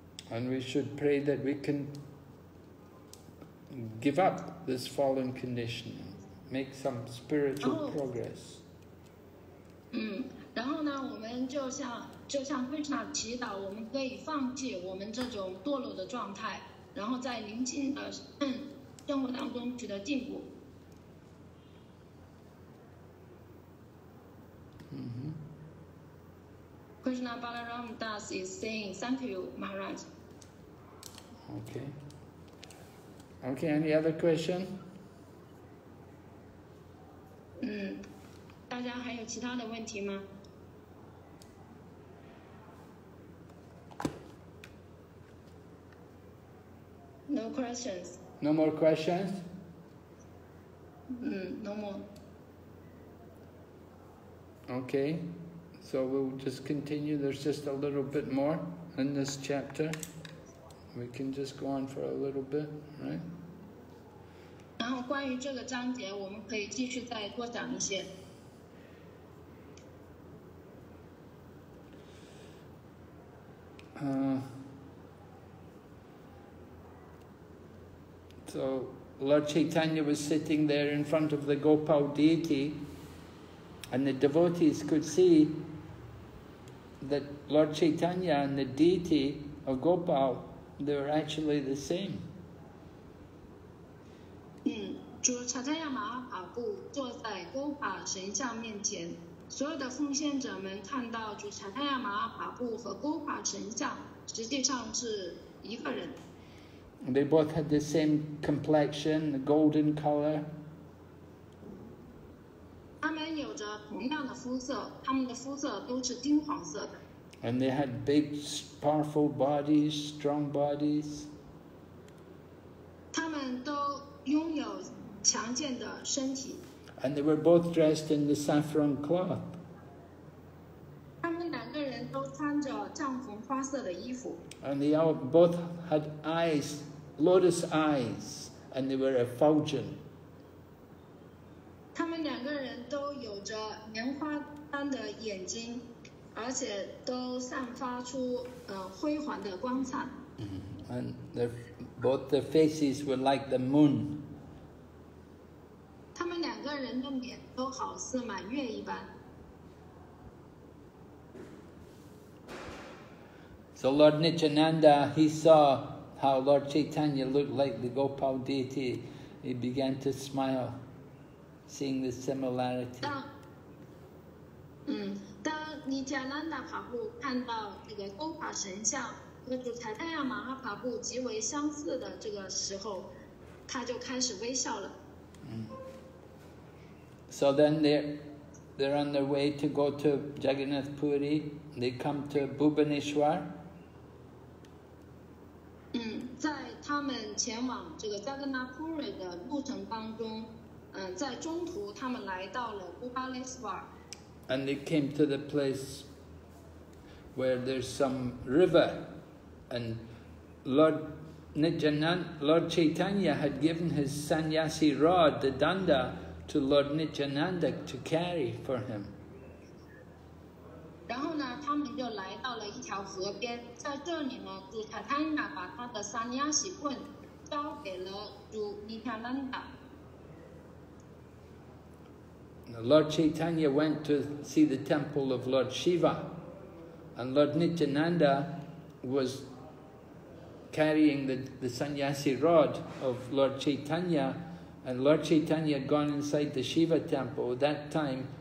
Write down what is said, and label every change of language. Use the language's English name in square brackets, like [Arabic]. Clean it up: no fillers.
[English] And we should pray that we can give up this fallen condition, make some spiritual progress. [Chinese] 然后呢，我们就像 Krishna 祈祷，我们可以放弃我们这种堕落的状态，然后在宁静的生活当中取得进步。 Mm-hmm. [English] Krishna Balaram Das is saying thank you, Maharaj. Okay, any other question? [Chinese] Mm. 大家还有其他的问题吗？ [English] No questions. No more questions? No more. Okay, so we'll just continue. There's just a little bit more in this chapter. We can just go on for a little bit, right? [Chinese] 然后关于这个章节，我们可以继续再多讲一些。 [English] So Lord Chaitanya was sitting there in front of the Gopal deity, and the devotees could see that Lord Chaitanya and the deity of Gopal, they were actually the same. [Chinese] 主查塔亚马哈帕布坐在戈帕神像面前，所有的奉献者们看到主查塔亚马哈帕布和戈帕神像实际上是一个人。 [English] They both had the same complexion, the golden color. [Chinese] 他们有着同样的肤色，他们的肤色都是金黄色的。 [English] And they had big, powerful bodies, strong bodies. [Chinese] 他们都拥有强健的身体。 [English] And they were both dressed in the saffron cloth. [Chinese] 他们两个人都穿着藏红花色的衣服。 [English] And they all, both had eyes. Lotus eyes, and they were effulgent. [Chinese] 他们两个人都有着莲花般的眼睛，而且都散发出辉煌的光彩。 [English] And both their faces were like the moon. [Chinese] 他们两个人的脸都好似满月一般。 [English] So Lord Nityananda, he saw. How Lord Chaitanya looked like the Gopal deity, he began to smile, seeing the similarity. [Chinese] 当尼加兰达帕布看到这个勾帕神像和主财泰亚马哈帕布极为相似的这个时候，他就开始微笑了。 [English] So then they're on their way to go to Jagannath Puri. They come to Bhubaneswar. [Chinese] 在他们前往这个加格纳普瑞的路程当中，在中途他们来到了布巴内斯瓦。 [English] And they came to the place where there's some river, and Lord Chaitanya had given his sannyasi rod, the danda, to Lord Nityananda to carry for him. [Chinese] 然后呢，他们就来到了一条河边，在这里呢，主查塔亚把他的三亚喜棍交给了主尼塔兰达。 [English] Lord Chaitanya went to see the temple of Lord Shiva, and Lord Nityananda was carrying the sannyasi rod of Lord Chaitanya, and Lord Chaitanya had gone inside the Shiva temple at that time.